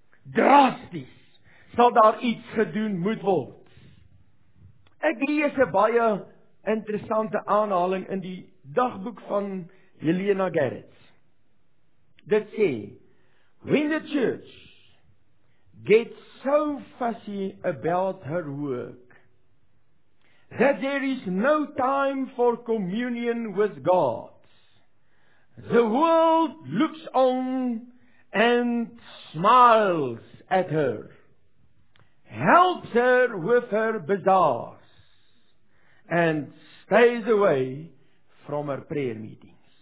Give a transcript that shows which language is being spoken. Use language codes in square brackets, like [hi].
[af] Drasties sal daar iets gedoen moet word. Ek lees 'n baie interessante aanhaling in die dagboek van Helena Gerrits. Dit sê, [en] when the church gets so fussy about her work, that there is no time for communion with God, the world looks on and smiles at her, helps her with her bazaars, and stays away from her prayer meetings.